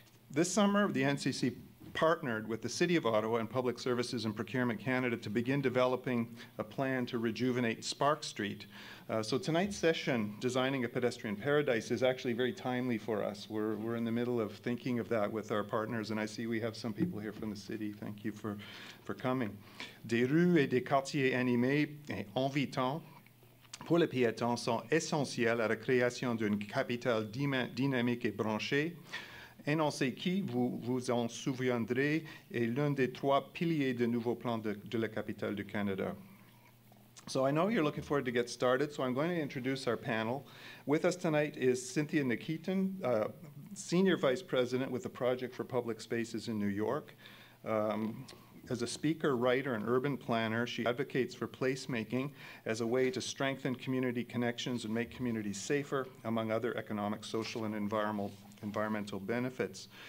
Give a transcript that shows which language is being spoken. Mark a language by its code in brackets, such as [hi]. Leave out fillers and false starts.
[en] This summer, the NCC partnered with the City of Ottawa and Public Services and Procurement Canada to begin developing a plan to rejuvenate Spark Street. So tonight's session, Designing a Pedestrian Paradise, is actually very timely for us. We're in the middle of thinking of that with our partners, and I see we have some people here from the city. Thank you for coming. [fr] Des rues et des quartiers animés et invitants pour les piétons sont essentiels à la création d'une capitale dynamique et branchée. Énoncé qui, vous en souviendrez, est l'un des trois piliers du nouveau plan de la capitale du Canada. [en] So I know you're looking forward to get started, so I'm going to introduce our panel. With us tonight is Cynthia Nikitin, Senior Vice President with the Project for Public Spaces in New York. As a speaker, writer, and urban planner, she advocates for placemaking as a way to strengthen community connections and make communities safer, among other economic, social, and environmental benefits.